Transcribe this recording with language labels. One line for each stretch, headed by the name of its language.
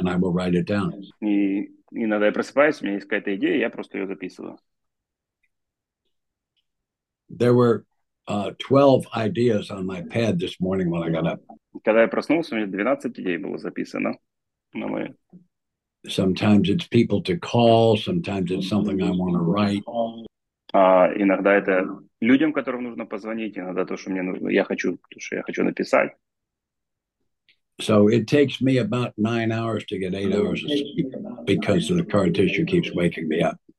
Russian: Иногда я просыпаюсь, у меня есть какая-то идея, я просто ее записываю.
English: There were 12 ideas on my pad this morning when I got up.
Russian: Когда я проснулся, у меня 12 идей было записано на мои.
English: Sometimes it's people to call, sometimes it's something I want to write.
Russian: Иногда это людям, которым нужно позвонить, иногда то, что мне нужно, я хочу написать.
English: So it takes me about 9 hours to get 8 hours of sleep because the scar tissue keeps waking me up.